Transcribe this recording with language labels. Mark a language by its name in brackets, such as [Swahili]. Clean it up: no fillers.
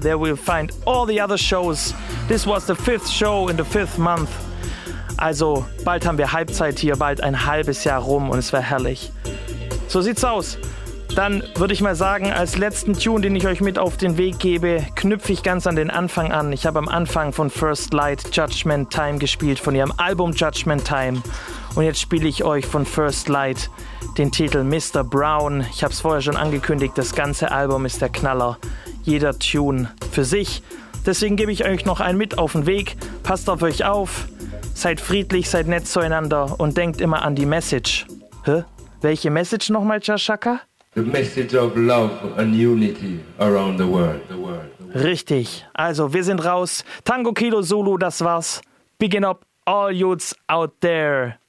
[English] There we'll find all the other shows. This was the fifth show in the fifth month. [German] Also bald haben wir Halbzeit hier, bald ein halbes Jahr rum und es wäre herrlich. So sieht's aus. Dann würde ich mal sagen, als letzten Tune, den ich euch mit auf den Weg gebe, knüpfe ich ganz an den Anfang an. Ich habe am Anfang von First Light Judgment Time gespielt, von ihrem Album Judgment Time. Und jetzt spiele ich euch von First Light den Titel Mr. Brown. Ich habe es vorher schon angekündigt, das ganze Album ist der Knaller. Jeder Tune für sich. Deswegen gebe ich euch noch einen mit auf den Weg. Passt auf euch auf, seid friedlich, seid nett zueinander und denkt immer an die Message. Hä? Welche Message nochmal, Jashaka? [English] The message of love and unity around the world. [German] Richtig. Also, wir sind raus. Tango Kilo Zulu, das war's. [English] Begin up all youths out there.